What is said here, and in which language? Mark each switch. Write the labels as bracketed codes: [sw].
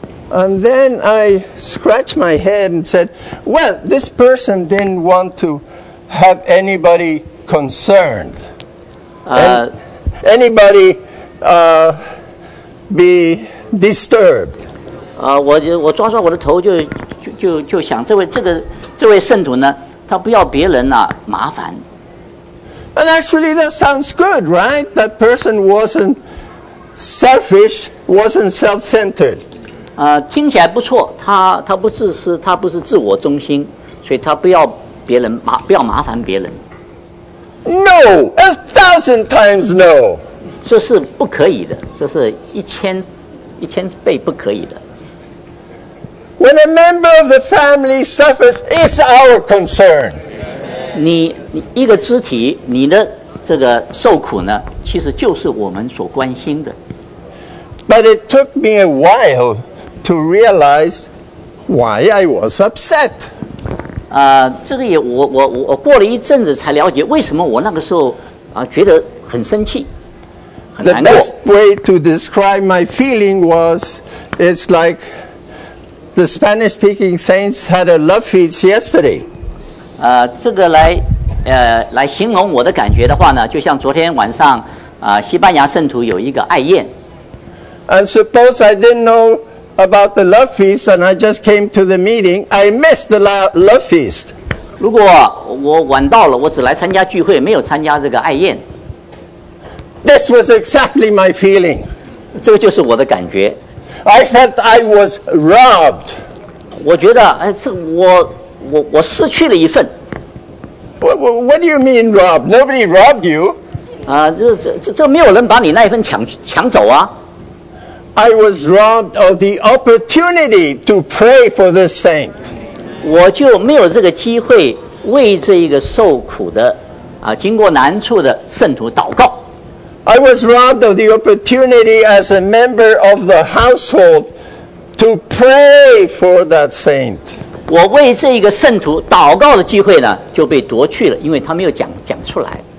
[en] And then I scratched my head and said, "Well, this person didn't want to have anybody concerned, anybody be disturbed." [zh] 我抓抓我的头就想这位圣徒呢，他不要别人麻烦。 [en] And actually, that sounds good, right? That person wasn't selfish, wasn't self-centered. [zh] 听起来不错，他不自私，他不是自我中心，所以他不要麻烦别人。 [en] No, 1,000 times no. [zh] 这是不可以的，这是一千倍不可以的。 [en] When a member of the family suffers, it's our concern. [zh] 你一个肢体，你的这个受苦呢，其实就是我们所关心的。 [en] But it took me a while to realize why I was upset. [zh] 这个也我过了一阵子才了解为什么我那个时候觉得很生气。 [en] The best way to describe my feeling was, it's like the Spanish-speaking saints had a love feast yesterday. [zh] 这个来形容我的感觉的话呢，就像昨天晚上西班牙圣徒有一个爱宴。 [en] And suppose I didn't know about the love feast, and I just came to the meeting, I missed the love feast. [zh] 如果我晚到了，我只来参加聚会，没有参加这个爱宴。 [en] This was exactly my feeling. [zh] 这就是我的感觉。 [en] I felt I was robbed. [zh] 我觉得，我失去了一份。 [en] What do you mean robbed? Nobody robbed you. [zh] 这没有人把你那一份抢走啊。 [en] I was robbed of the opportunity to pray for this saint. [zh] 我就没有这个机会为这一个受苦的经过难处的圣徒祷告。 [en] I was robbed of the opportunity as a member of the household to pray for that saint. [zh] 我为这一个圣徒祷告的机会呢就被夺去了，因为他没有讲出来。